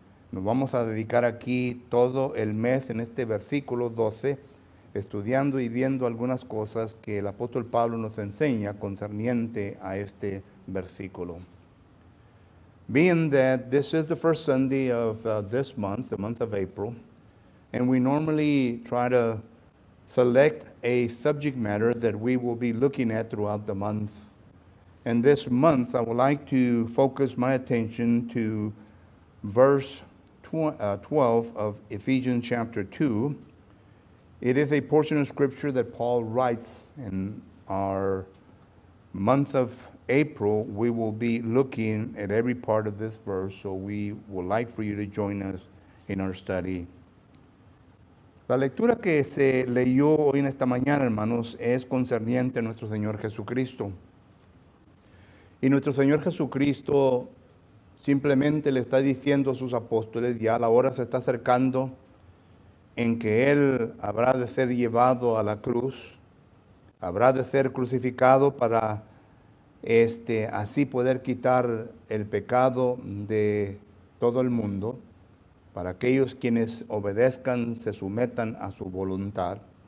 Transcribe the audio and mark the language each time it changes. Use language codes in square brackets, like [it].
[es] Nos vamos a dedicar aquí todo el mes en este versículo 12, estudiando y viendo algunas cosas que el apóstol Pablo nos enseña concerniente a este versículo. [en] Being that this is the first Sunday of this month, the month of April, and we normally try to select a subject matter that we will be looking at throughout the month. And this month, I would like to focus my attention to verse 12 of Ephesians chapter 2. It is a portion of scripture that Paul writes in our month of April. We will be looking at every part of this verse, so we would like for you to join us in our study. [es] La lectura que se leyó hoy en esta mañana, hermanos, es concerniente a nuestro Señor Jesucristo. Y nuestro Señor Jesucristo simplemente le está diciendo a sus apóstoles, ya la hora se está acercando en que Él habrá de ser llevado a la cruz, habrá de ser crucificado para así poder quitar el pecado de todo el mundo, para aquellos quienes obedezcan, se sometan a su voluntad.